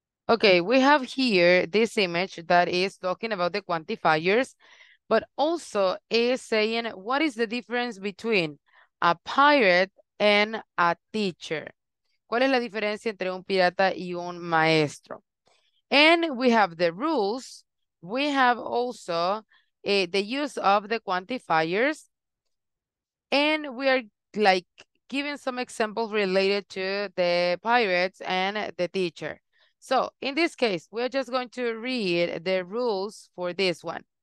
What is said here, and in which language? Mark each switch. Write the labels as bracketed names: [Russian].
[English] Okay, we have here this image that is talking about the quantifiers, but also is saying, what is the difference between a pirate and a teacher? [Spanish] ¿Cuál es la diferencia entre un pirata y un maestro? [English] And we have the rules. We have also the use of the quantifiers. And we are like giving some examples related to the pirates and the teacher. So in this case, we're just going to read the rules for this one.